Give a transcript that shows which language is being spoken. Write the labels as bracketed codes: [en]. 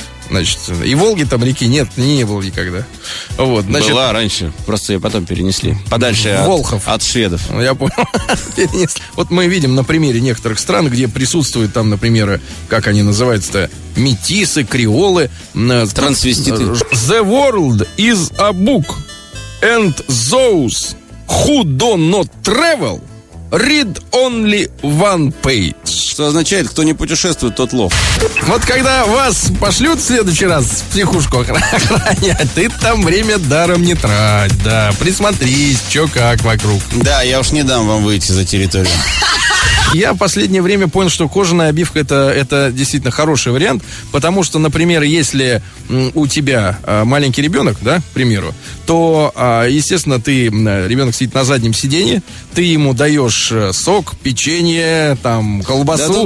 [ru] Значит, и Волги там реки нет, не было никогда. Вот, значит, была раньше, просто ее потом перенесли. Подальше Волхов. От шведов. Ну, я понял. Вот мы видим на примере некоторых стран, где присутствуют там, например, как они называются-то, метисы, креолы. Трансвеститы. [en] The world is a book, and those who do not travel read only one page. [ru] Что означает, кто не путешествует, тот лох. Вот когда вас пошлют в следующий раз в психушку охранять, ты там время даром не трать. Да, присмотрись, чё как вокруг. Да, я уж не дам вам выйти за территорию. Я в последнее время понял, что кожаная обивка это действительно хороший вариант, потому что, например, если у тебя маленький ребенок, да, к примеру, то, естественно, ты, ребенок сидит на заднем сиденье, ты ему даешь сок, печенье, там, колбасу,